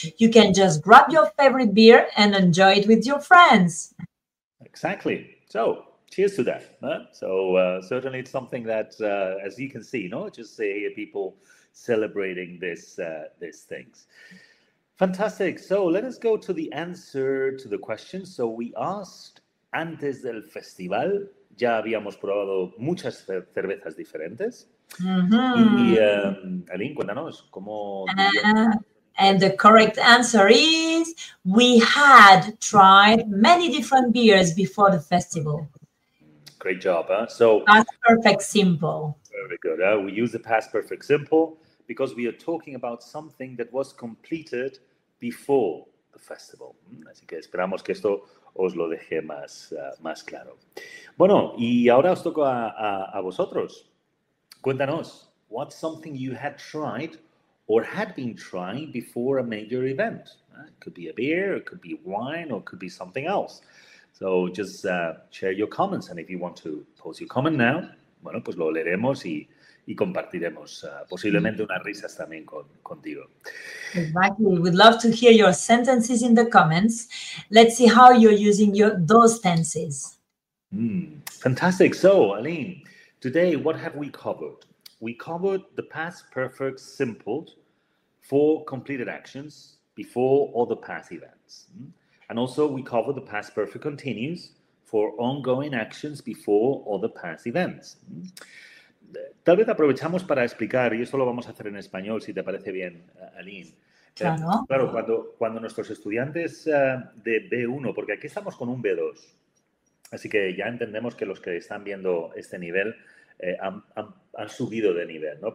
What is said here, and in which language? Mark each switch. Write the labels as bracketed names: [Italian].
[English] You can just grab your favorite beer and enjoy it with your friends. Exactly. So, cheers to that. Huh? So, certainly it's something that, as you can see, you know, just say people celebrating this things. Fantastic. So, let us go to the answer to the question. So, we asked, [Spanish] antes del festival, ya habíamos probado muchas cervezas diferentes. Mm-hmm. Y Aline, cuéntanos, ¿cómo? [English] And the correct answer is, we had tried many different beers before the festival. Great job. Huh? So, past perfect simple. Very good. Huh? We use the past perfect simple because we are talking about something that was completed before the festival. [Spanish] Así que esperamos que esto os lo dejé más claro. Bueno, y ahora os toca a vosotros. Cuéntanos, [English] what's something you had tried or had been trying before a major event? It could be a beer, it could be wine, or it could be something else. So just share your comments. And if you want to post your comment now, [Spanish] bueno, pues lo leeremos y compartiremos posiblemente unas risas también contigo. [English] Exactly. We'd love to hear your sentences in the comments. Let's see how you're using those tenses. Fantastic. So, Aline, today, what have we covered? We covered the past perfect simple for completed actions before or the past events. And also, we covered the past perfect continuous for ongoing actions before or the past events. [Spanish] Tal vez aprovechamos para explicar, y esto lo vamos a hacer en español, si te parece bien, Aline. Claro. Claro, cuando nuestros estudiantes de B1, porque aquí estamos con un B2, así que ya entendemos que los que están viendo este nivel han subido de nivel, ¿no?